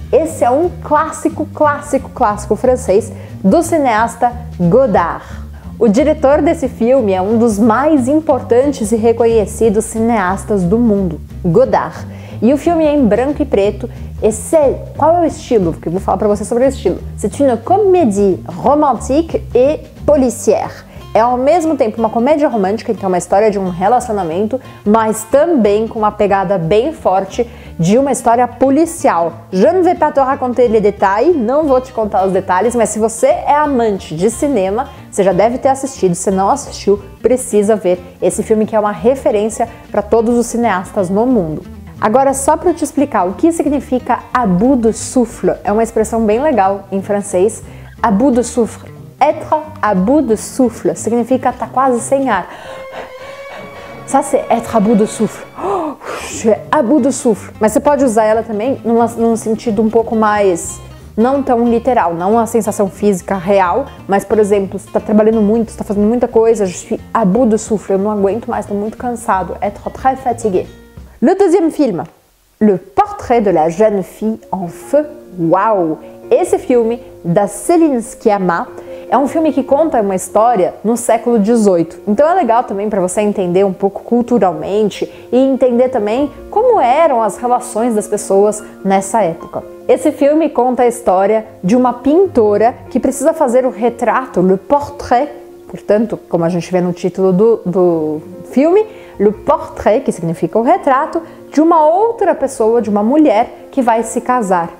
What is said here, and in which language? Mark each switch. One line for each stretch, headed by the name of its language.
Portuguese: Esse é um clássico, clássico, clássico francês do cineasta Godard. O diretor desse filme é um dos mais importantes e reconhecidos cineastas do mundo, Godard. E o filme é em branco e preto. Esse é, qual é o estilo? Porque eu vou falar para você sobre o estilo.
French: C'est une comédie romantique et policière.
Portuguese: É ao mesmo tempo uma comédia romântica, então uma história de um relacionamento, mas também com uma pegada bem forte de uma história policial.
French: Je ne vais pas te raconter les détails,
Portuguese: não vou te contar os detalhes, mas se você é amante de cinema, você já deve ter assistido. Se não assistiu, precisa ver esse filme, que é uma referência para todos os cineastas no mundo. Agora, só para te explicar o que significa
French: à bout de souffle,
Portuguese: é uma expressão bem legal em francês.
French: À bout de souffle, être à bout de souffle,
Portuguese: significa estar quase sem ar.
French: Ça, c'est être à bout de souffle. Je suis à bout de souffle.
Portuguese: Mas você pode usar ela também num sentido um pouco mais, não tão literal, não uma sensação física real, mas, por exemplo, você está trabalhando muito, você está fazendo muita coisa,
French: je suis à bout de souffle,
Portuguese: eu não aguento mais, estou muito cansado.
French: Être très fatigué. Le deuxième film, Le Portrait de la Jeune Fille en Feu. Uau!
Portuguese: Esse filme, da Céline Sciamma, é um filme que conta uma história no século XVIII. Então é legal também para você entender um pouco culturalmente e entender também como eram as relações das pessoas nessa época. Esse filme conta a história de uma pintora que precisa fazer o retrato, le portrait, portanto, como a gente vê no título do filme, Le Portrait, que significa o retrato, de uma outra pessoa, de uma mulher, que vai se casar.